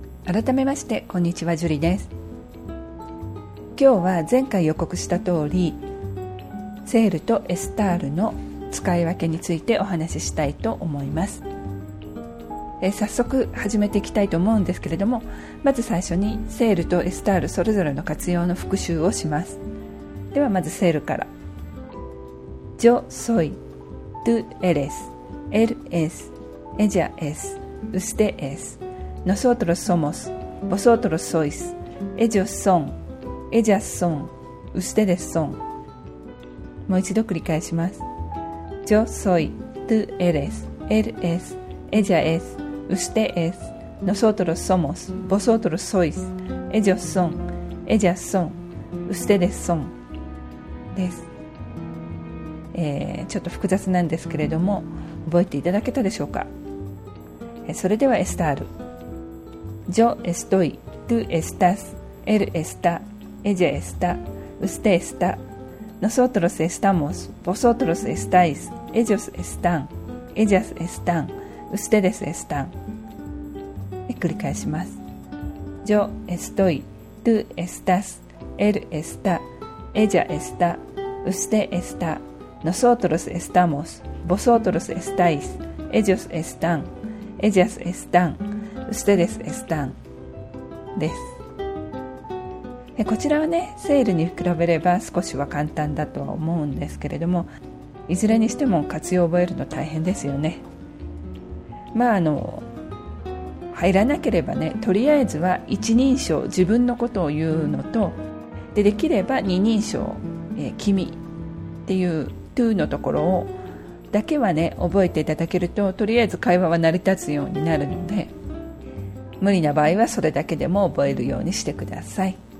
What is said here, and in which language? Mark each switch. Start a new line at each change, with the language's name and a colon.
Japanese: 改めましてこんにちは、ジュリです。今日は前回予告した通りセールとエスタールの使い分けについてお話ししたいと思います。早速始めていきたいと思うんですけれども、まず最初にセールとエスタールそれぞれの活用の復習をします。ではまずセールから。
Spanish: Yo soy Tú eres Él es Ella es Usted es Nosotros somos Vosotros sois Ellos son Ellas son Ustedes son。
Japanese: もう一度繰り返します。
Spanish: Yo soy Tú eres Él es Ella esUsted es, nosotros somos, vosotros sois, ellos son, ellas son, ustedes son です。
Japanese: ちょっと複雑なんですけれども、覚えていただけたでしょうか。それではエスタール。
Spanish: Yo estoy, tú estás, él está, ella está, usted está, nosotros estamos, vosotros estáis, ellos están, ellas están, ustedes están.
Japanese: 繰り返します。
Spanish: Yo estoy, tú estás, él está, ella está, usted está, nosotros estamos, vosotros estáis, ellos están, ellas están, ustedes están です。
Japanese: こちらはね、セールに比べれば少しは簡単だとは思うんですけれども、いずれにしても活用を覚えるの大変ですよね。まあ入らなければね、とりあえずは一人称自分のことを言うのと、でできれば二人称、君っていう to のところをだけはね覚えていただけると、とりあえず会話は成り立つようになるので、無理な場合はそれだけでも覚えるようにしてください。